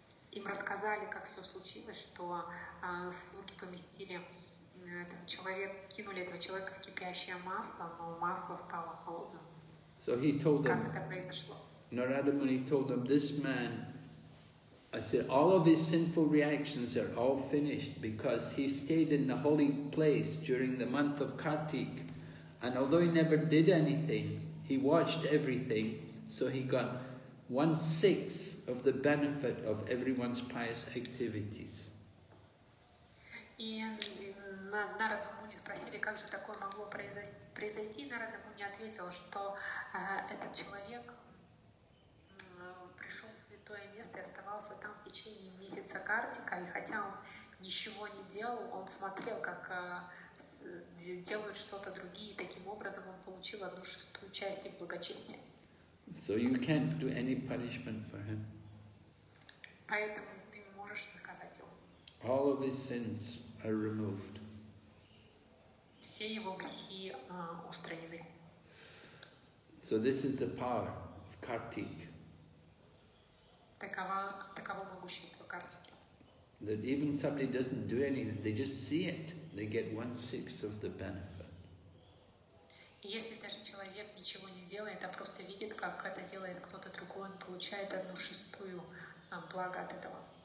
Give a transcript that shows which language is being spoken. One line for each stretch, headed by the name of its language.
Russian: Им рассказали, как все случилось, что слуги поместили этого человека, кинули этого человека в кипящее масло, но масло стало холодным.
English: So he told them,
Russian: как это произошло?
English: Narada Muni told them, this man, I said, all of his sinful reactions are all finished because he stayed in the holy place during the month of Kartik. And although he never did anything, he watched everything, so he got 1/6 of the benefit of everyone's pious activities.
Russian: И Нарада Муни спросили, как же такое могло произойти. Нарада Муни ответил, что этот человек пришел в святое место и оставался там в течение месяца Картика, и хотя он ничего не делал, он смотрел, как делают что-то другие, таким образом он получил 1/6 часть их благочестия.
English: So you can't do any punishment for him.
Russian: Поэтому ты не можешь наказать его.
English: All of his sins are removed.
Russian: Все его грехи устранены.
English: So this is the power of Kartik.
Russian: Таково могущество Картики.
English: That even somebody doesn't do anything, they just see it, they get 1/6 of the benefit.
Russian: Если даже человек ничего не делает, а просто видит, как это делает кто-то другой, он получает 1/6 блага от этого.